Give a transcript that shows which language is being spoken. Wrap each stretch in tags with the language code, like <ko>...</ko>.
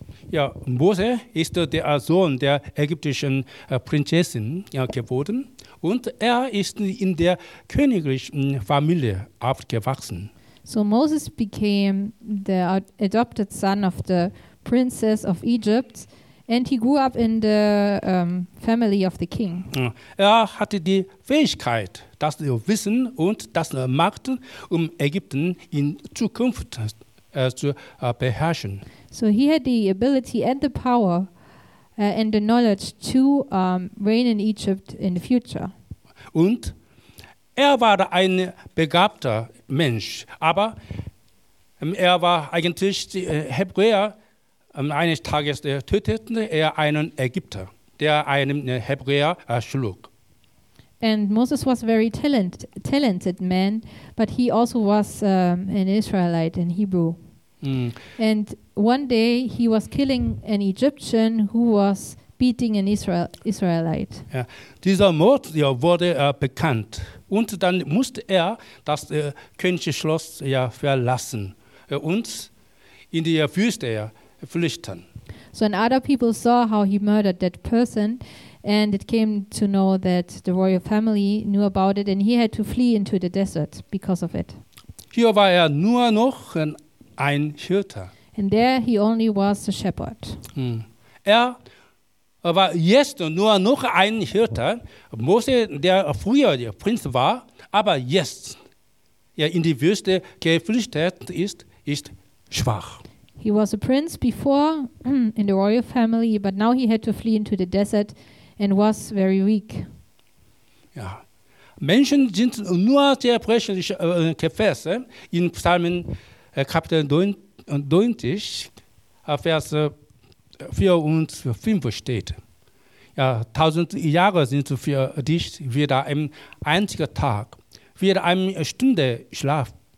<de>Ja, Mose ist der Sohn der ägyptischen Prinzessin geworden und ist in der königlichen Familie aufgewachsen.</de> <en>So Moses became the adopted son of the princess of Egypt and he grew up in the family of the king.</en> <de>Hatte die Fähigkeit, das Wissen und das Macht, Ägypten in Zukunft zu beherrschen.</de> <en>So he had the ability and the power and the knowledge to reign in Egypt in the future.</en> <de>Und war ein begabter Mensch, aber war eigentlich Hebräer. Eines Tages tötete einen Ägypter, der einen Hebräer schlug.</de> <en>And Moses was a very talented man, but he also was an Israelite, an Hebrew. And one day he was killing an Egyptian who was beating an Israelite.</en> <de>Ja, dieser Mord wurde bekannt. Und dann musste das königliche Schloss verlassen und in die Wüste flüchten.</de> <en>So and other people saw how he murdered that person and it came to know that the royal family knew about it and he had to flee into the desert because of it.</en> <de>Hier war nur noch ein Hirte.</de> <en>And there he only was a shepherd.</en> <de>Aber jetzt nur noch ein Hirte, Mose, der früher der Prinz war, aber jetzt in die Wüste geflüchtet ist, ist schwach.</de> <en>He was a prince before in the royal family, but now he had to flee into the desert and was very weak.</en> <de>Ja, Menschen sind nur sehr brechliche Gefäße in Psalmen Kapitel 90, Vers 4 und 5 steht. Ja, 1000 Jahre sind für dich wieder ein einziger Tag, wieder eine Stunde Schlaf.</de>